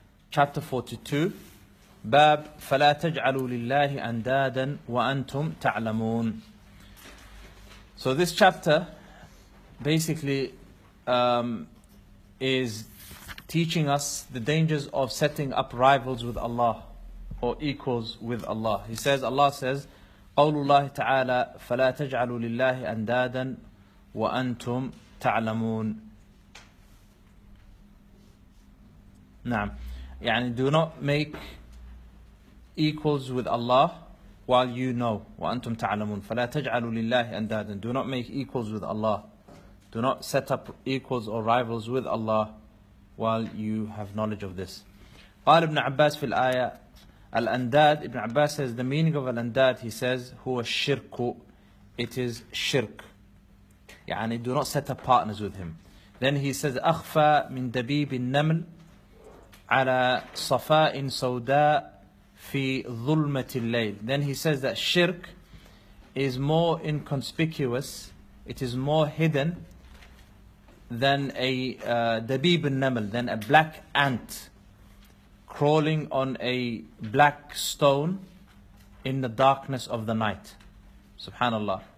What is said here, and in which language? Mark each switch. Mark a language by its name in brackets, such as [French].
[English] Chapter 42, [Arabic] باب فلا تجعلوا لله أندادا وأنتم تعلمون. [English] So this chapter basically is teaching us the dangers of setting up rivals with Allah or equals with Allah. He says, Allah says, [Arabic] قول الله تعالى فلا تجعلوا لله أندادا وأنتم تعلمون. نعم. يعني [English] do not make equals with Allah while you know [Arabic] وأنتم تعلمون فلا تجعلوا لله أندادا. [English] Do not make equals with Allah. Do not set up equals or rivals with Allah while you have knowledge of this. [Arabic] قال ابن عباس في الآية الأنداد. [English] Ibn Abbas says the meaning of الأنداد, he says, [Arabic] هو الشرك. [English] It is shirk. [Arabic] يعني [English] do not set up partners with him. Then he says [Arabic] أخفى من دبيب النمل على صفاء سوداء في ظلمة الليل. [English] Then he says that shirk is more inconspicuous, it is more hidden than a dabib al-naml, than a black ant crawling on a black stone in the darkness of the night. Subhanallah.